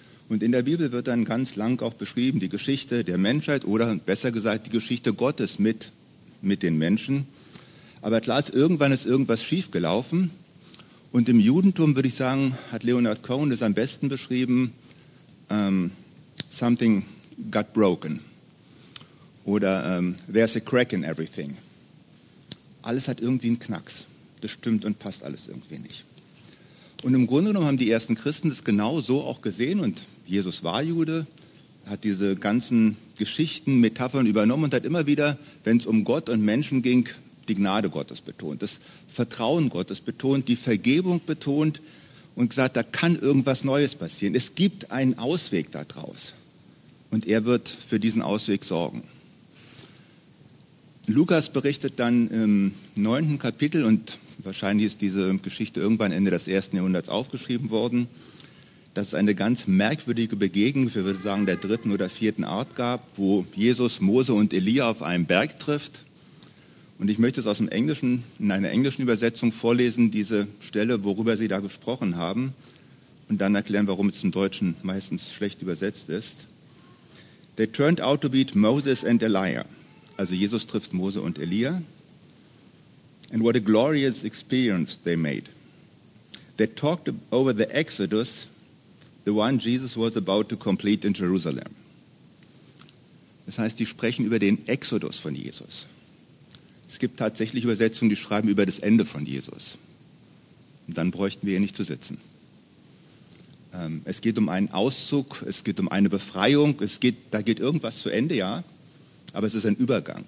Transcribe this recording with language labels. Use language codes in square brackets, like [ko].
[de] Und in der Bibel wird dann ganz lang auch beschrieben, die Geschichte der Menschheit oder besser gesagt die Geschichte Gottes mit den Menschen. Aber klar ist, irgendwann ist irgendwas schiefgelaufen. Und im Judentum, würde ich sagen, hat Leonard Cohen das am besten beschrieben, [en] something got broken. [de] Oder [en] there's a crack in everything. [de] Alles hat irgendwie einen Knacks. Das stimmt und passt alles irgendwie nicht. Und im Grunde genommen haben die ersten Christen das genau so auch gesehen und Jesus war Jude, hat diese ganzen Geschichten, Metaphern übernommen und hat immer wieder, wenn es um Gott und Menschen ging, die Gnade Gottes betont, das Vertrauen Gottes betont, die Vergebung betont und gesagt, da kann irgendwas Neues passieren. Es gibt einen Ausweg daraus und er wird für diesen Ausweg sorgen. Lukas berichtet dann im 9. Kapitel und wahrscheinlich ist diese Geschichte irgendwann Ende des 1. Jahrhunderts aufgeschrieben worden, dass es eine ganz merkwürdige Begegnung, wir würden sagen der dritten oder vierten Art gab, wo Jesus, Mose und Elia auf einem Berg trifft. Und ich möchte es aus dem Englischen, in einer englischen Übersetzung vorlesen, diese Stelle, worüber sie da gesprochen haben. Und dann erklären, warum es im Deutschen meistens schlecht übersetzt ist. [en] They turned out to be Moses and Elijah. [de] Also Jesus trifft Mose und Elia. [en] And what a glorious experience they made. They talked over the Exodus, the one Jesus was about to complete in Jerusalem. [de] Das heißt, die sprechen über den Exodus von Jesus. Es gibt tatsächlich Übersetzungen, die schreiben über das Ende von Jesus. Und dann bräuchten wir hier nicht zu sitzen. Es geht um einen Auszug, es geht um eine Befreiung, da geht irgendwas zu Ende, ja. Aber es ist ein Übergang.